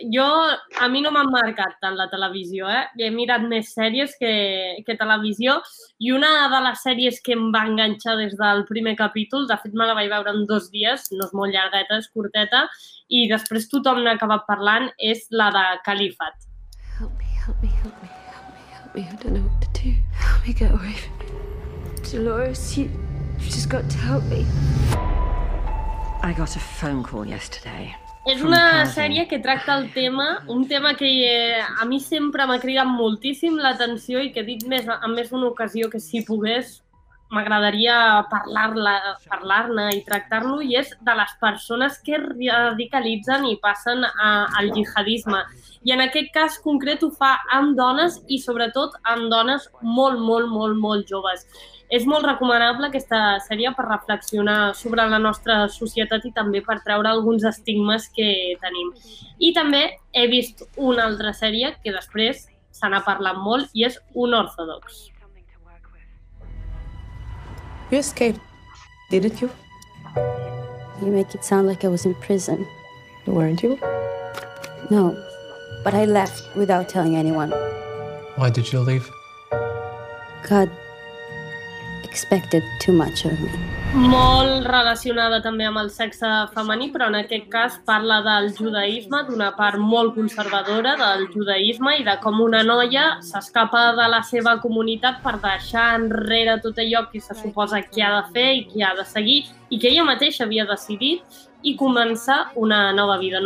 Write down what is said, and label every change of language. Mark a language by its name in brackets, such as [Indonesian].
[Catalan] Jo, a mi no m'ha marcat tant la televisió, eh? He mirat més sèries que televisió. I una de les sèries que em va enganxar des del primer capítol, de fet me la vaig veure en dos dies, no és molt llargueta, és curteta, i després tothom n'ha acabat parlant, és la de Califat. [English] Help me. I don't know what to do. Help me get away from here. Dolores, you've just got to help me. I got a phone call yesterday. [Catalan] És una sèrie que tracta el tema, un tema que a mi sempre m'ha cridat moltíssim l'atenció i que he dit més, en més d'una ocasió que si pogués m'agradaria parlar-ne i tractar-lo, i és de les persones que radicalitzen i passen al jihadisme. I en aquest cas concret ho fa amb dones i sobretot amb dones molt joves. És molt recomanable aquesta sèrie per reflexionar sobre la nostra societat i també per treure alguns estigmes que tenim. I també he vist una altra sèrie que després se n'ha parlat molt i és Unorthodox. [English] You escaped, didn't you? You make it sound like I was in prison. Weren't you? No, but I left without telling anyone. Why did you leave? God expected too much of me. [Catalan] Molt relacionada també amb el sexe femení, però en aquest cas parla del judaïsme, d'una part molt conservadora del judaïsme i de com una noia s'escapa de la seva comunitat per deixar enrere tot allò que se suposa que ha de fer i que ha de seguir i que ella mateixa havia decidit i començar una nova vida.